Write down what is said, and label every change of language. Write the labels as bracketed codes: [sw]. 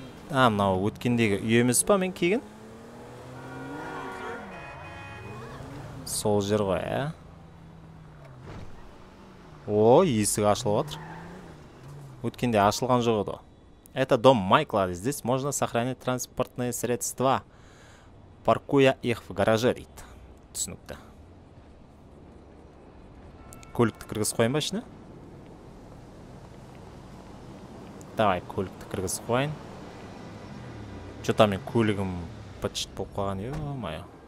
[kk] А, мынау өткендегі үйіміз ба мен келген? Сол жер ғой, а? О, есігі ашылып отыр. Өткенде ашылған жоқ еді. [ru] Это дом Майкла. Здесь можно сохранить транспортные средства. Паркуя их в гараже, [kk] дейді. Түсінікті. Көлікті кіргіз қойын ба ішіне? [ru] Давай, [kk] көлікті кіргіз қойын. [ru] Че там [kk] мен көлігім пачит болып қалған? Ё-моё.